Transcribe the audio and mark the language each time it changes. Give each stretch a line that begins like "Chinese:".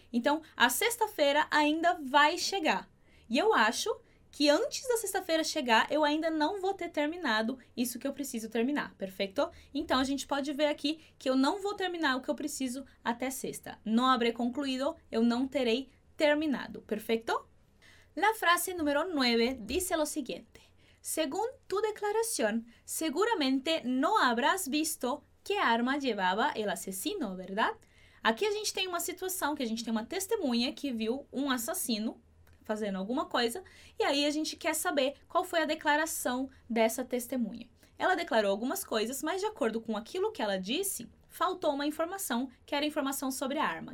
Portuguese: Então, a sexta-feira ainda vai chegar. E eu acho que antes da sexta-feira chegar, eu ainda não vou ter terminado isso que eu preciso terminar, perfeito? Então, a gente pode ver aqui que eu não vou terminar o que eu preciso até sexta.
Spanish: No habré concluído,
Portuguese: eu não terei terminado, perfecto.
Spanish: La frase número 9 dice lo siguiente: según tu declaración, seguramente no habrás visto qué arma llevaba el asesino, ¿verdad?
Portuguese: Aquí a gente tem uma situação que a gente tem uma testemunha que viu um assassino fazendo alguma coisa, e aí a gente quer saber qual foi a declaração dessa testemunha. Ela declarou algumas coisas, mas de acordo com aquilo que ela disse, faltou uma informação, que era informação sobre a arma.